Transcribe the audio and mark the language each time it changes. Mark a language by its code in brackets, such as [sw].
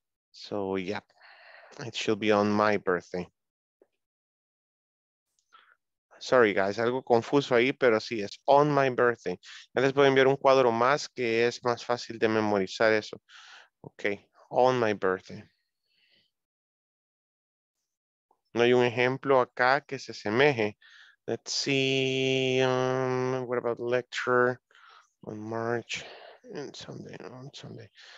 [en] So, yeah, it should be on my birthday. Sorry, guys, [es] algo confuso ahí, pero sí, es [en] on my birthday. [es] Ya les voy a enviar un cuadro más que es más fácil de memorizar eso. [en] Ok, on my birthday. [es] No hay un ejemplo acá que se asemeje. [en] Let's see, what about lecture on March and Sunday, on Sunday.